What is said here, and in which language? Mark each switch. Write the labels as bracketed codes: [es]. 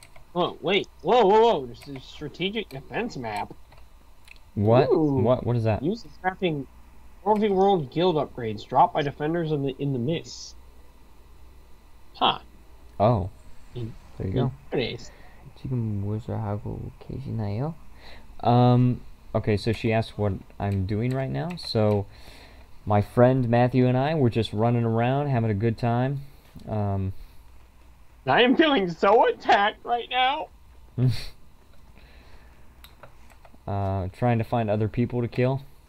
[en] Whoa, this is strategic defense map. What? Ooh. What is that? Use the crafting World v. World guild upgrades dropped by defenders in the mist. Huh. Oh. There you go. What is? [ko] 지금 무엇을 하고 계시나요? [en] Okay, so she asked what I'm doing right now. So, my friend Matthew and I were just running around, having a good time. I am feeling so attacked right now. trying to find other people to kill.